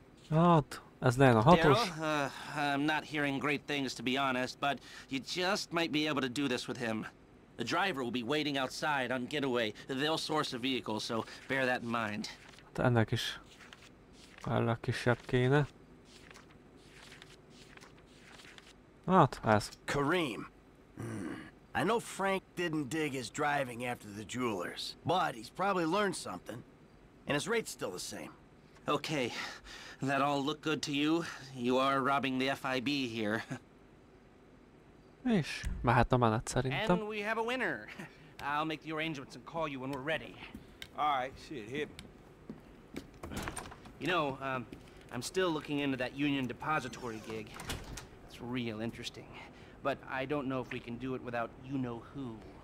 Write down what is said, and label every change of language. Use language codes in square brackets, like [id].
[hu] Hát, ez lenne a hatos. [en] Daryl, I'm not hearing great things to be honest, but you just might be able to do this with him. The driver will be waiting outside on getaway. They'll source a vehicle, so bear that in mind. [hu] Hát ennek is kell a kisebb kéne. Hát, ez. [en] Kareem. I know Frank didn't dig his driving after the jewelers, but he's probably learned something, and his rate's still the same. Okay, that all look good to you? You are robbing the FIB here. [hu] És mehet a menet szerintem. [en] And we have a winner. I'll make the arrangements and call you when we're ready. All right, shit, hit. You know, I'm still looking into that union depository gig. It's real interesting. But I don't know if we can do it without you-know-who.